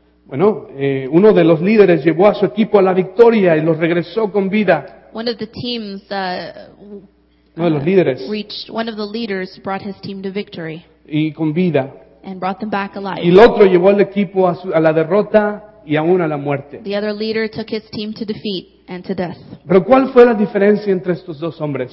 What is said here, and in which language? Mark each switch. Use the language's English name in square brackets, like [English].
[Spanish] Bueno, uno de los líderes llevó a su equipo a la victoria y los regresó con vida. [English] One of the teams [Spanish] uno de los líderes. [English] Reached, one of the leaders brought his team to victory. [Spanish] Y con vida. [English] And brought them back alive. [Spanish] Y el otro llevó al equipo a la derrota y aún a la muerte. [English] The other leader took his team to defeat and to death. [Spanish] Pero ¿cuál fue la diferencia entre estos dos hombres?